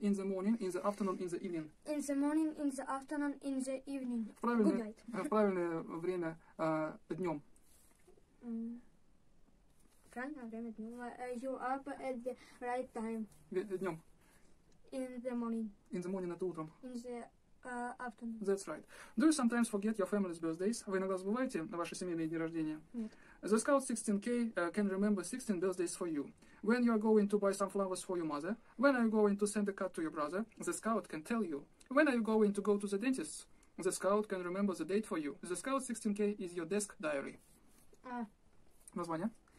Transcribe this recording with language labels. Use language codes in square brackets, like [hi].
[en] In the morning, in the afternoon, in the evening. In the morning, in the afternoon, in the evening. [ru] В правильное время днем. Правильное время днем. [en] You up at the right time. [ru] Днем. [en] In the morning. In the morning, [ru] это утром. [en] In the afternoon. That's right. Do you sometimes forget your family's birthdays? [ru] Вы иногда забываете на ваши семейные дни рождения? Нет. [en] The Scout 16K can remember 16 birthdays for you. When you are going to buy some flowers for your mother, when are you going to send a card to your brother, the Scout can tell you. When are you going to go to the dentist, the Scout can remember the date for you. The Scout 16K is your desk diary. [ru] Название?